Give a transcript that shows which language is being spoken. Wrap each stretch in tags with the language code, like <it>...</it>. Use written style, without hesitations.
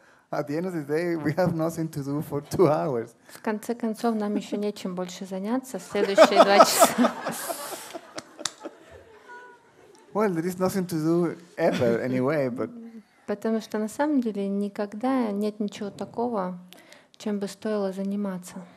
<en>At the end of the day, we have nothing to do for 2 hours.</en> <ru>В конце концов, нам еще нечем больше заняться. Следующие 2 часа.</ru> <en>Well, there is nothing to do ever anyway, but.</en> <ru>Потому что на самом деле никогда нет ничего такого, чем бы стоило заниматься.</ru>